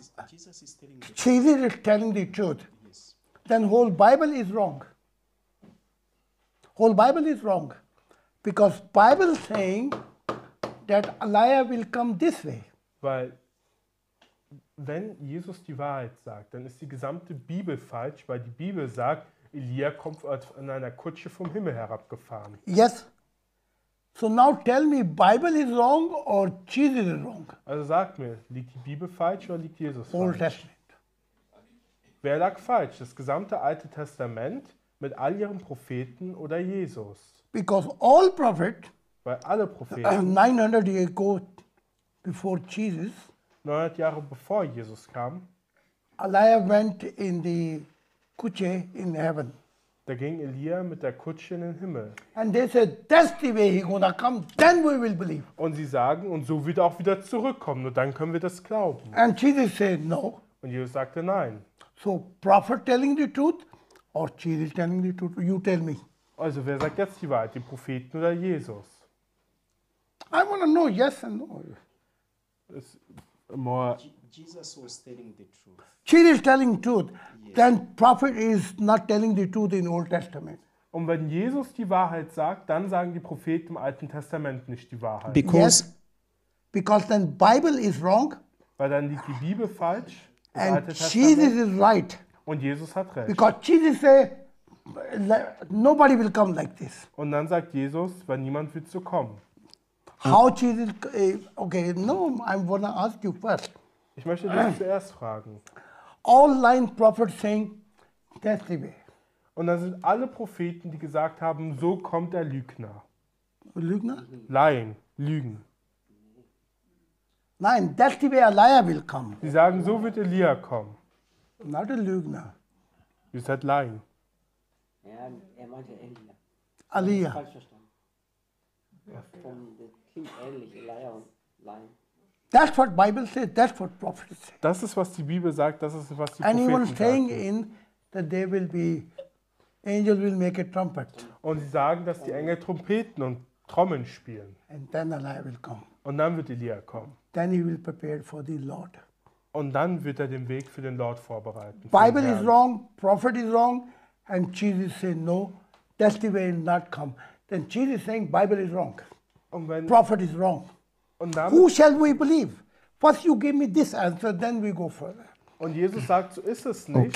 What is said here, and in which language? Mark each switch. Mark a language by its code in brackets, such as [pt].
[en] Jesus is telling the truth. Yes. Then whole Bible is wrong. Whole Bible is wrong. Because Bible saying that Elijah will come this way. [de] Weil wenn Jesus die Wahrheit sagt, dann ist die gesamte Bibel falsch, weil die Bibel sagt, Elia kommt in einer Kutsche vom Himmel herabgefahren. [en] Yes. So now tell me, Bible is wrong or Jesus is wrong? [de] Also sag mir, liegt die Bibel falsch oder liegt Jesus falsch? [en] Old Testament. [de] Wer lag falsch? Das gesamte Alte Testament mit all ihren Propheten oder Jesus? [en] Because all prophets, [de] weil alle Propheten, [en] 900 years ago before Jesus, [de] 900 Jahre bevor Jesus kam, [en] Elijah went in the Kutsche in heaven. [de] Da ging Elia mit der Kutsche in den Himmel. [en] And they said, that's the way he gonna come, then we will believe. [de] Und sie sagen, und so wird er auch wieder zurückkommen, nur dann können wir das glauben. [en] And Jesus said, no. [de] Und Jesus sagte, nein. [en] So, prophet telling the truth, or Jesus telling the truth, you tell me. [de] Also, wer sagt jetzt die Wahrheit, die Propheten oder Jesus? [en] I wanna know, yes and no. It's more... Jesus was telling the truth. Jesus telling truth. Yes. Then prophet is not telling the truth in Old Testament. [de] Und wenn Jesus die Wahrheit sagt, dann sagen die Propheten im Alten Testament nicht die Wahrheit. [en] Because then Bible is wrong. [de] Weil dann liegt die Bibel falsch. [en] And Jesus is right. [de] Und Jesus hat recht. [en] Because Jesus said nobody will come like this. [de] Und dann sagt Jesus, weil niemand wird so kommen. [en] How Jesus? Okay, no, I wanna ask you first. [de] Ich möchte dich zuerst fragen. [en] All line prophets saying, that's the way. [de] Und dann sind alle Propheten, die gesagt haben, so kommt der Lügner. Lügner? [en] Lying, Lügen. [de] Nein, [en] that's the way a liar will come. Sie sagen, so wird Elia kommen. Not a Lügner. You said lying. [de] Ja, er meinte Elia. Elia. Falsch verstanden. Das klingt ähnlich, Elia und Lying. [en] That's what Bible says, that's what prophets say. [de] Das ist, was die Bibel sagt, das ist, was die Propheten sagen. [en] And even saying in that they will be, angel will make a trumpet. [de] Und sie sagen, dass die Engel Trompeten und Trommeln spielen. [en] And then Elijah will come. [de] Und dann wird Elia kommen. [en] then he will prepare for the Lord. [de] Und dann wird er den Weg für den Lord vorbereiten. [en] Bible is wrong, prophet is wrong, and Jesus said no, that's the way it will not come. Then Jesus saying Bible is wrong, [de] und wenn, [en] prophet is wrong. [de] Und dann, [en] who shall we believe? First you give me this answer, then we go further. [de] Und Jesus sagt, so ist es nicht.